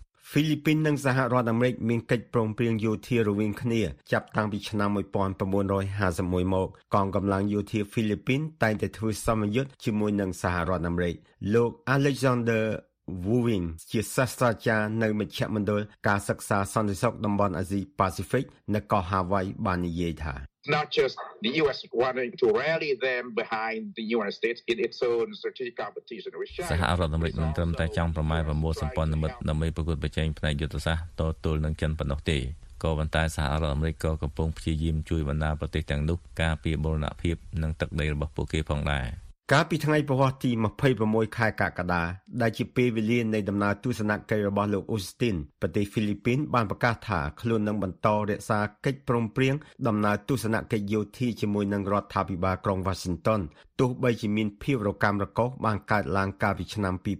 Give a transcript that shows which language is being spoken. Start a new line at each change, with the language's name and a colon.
Khmer: ហ្វីលីពីននិងសហរដ្ឋអាមេរិកមានកិច្ចព្រមព្រៀងយោធារវាងគ្នាចាប់តាំងពីឆ្នាំ1951មកកងកម្លាំងយោធាហ្វីលីពីនតែងតែធ្វើសមយុទ្ធជាមួយនឹងសហរដ្ឋអាមេរិកលោក Alexander Wuwin ជាសាស្ត្រាចារ្យនៅមជ្ឈមណ្ឌលការសិក្សាសន្តិសុខតំបន់អាស៊ី Pacific នៅកោះ Hawaii បាននិយាយថា
English: Not just the US wanting to rally them behind the United States in its own strategic competition with China
Khmer: សហរដ្ឋអាមេរិកមិនត្រឹមតែចង់ប្រមាថប្រមូលសម្ព័ន្ធមិត្តដើម្បីប្រកួតប្រជែងផ្នែកយុទ្ធសាស្ត្រតទល់នឹងចិនប៉ុណ្ណោះទេក៏ប៉ុន្តែសហរដ្ឋអាមេរិកក៏កំពុងព្យាយាមជួយបណ្ដាប្រទេសទាំងនោះការពារបូរណភាពនិងទឹកដីរបស់ពួកគេផងដែរ កាលពីថ្ងៃពហុទី26ខែកក្កដាដែលជាពេលវេលានៃដំណើរទស្សនកិច្ចរបស់លោកអូស្ទីនប្រទេសហ្វីលីពីនបានប្រកាសថាខ្លួននឹងបន្តរក្សាកិច្ចព្រមព្រៀងដំណើរទស្សនកិច្ចយោធាជាមួយនឹងរដ្ឋាភិបាលក្រុងវ៉ាស៊ីនតោនទោះបីជាមានភាពរកាំរកូសបានកើតឡើងកាលពីឆ្នាំ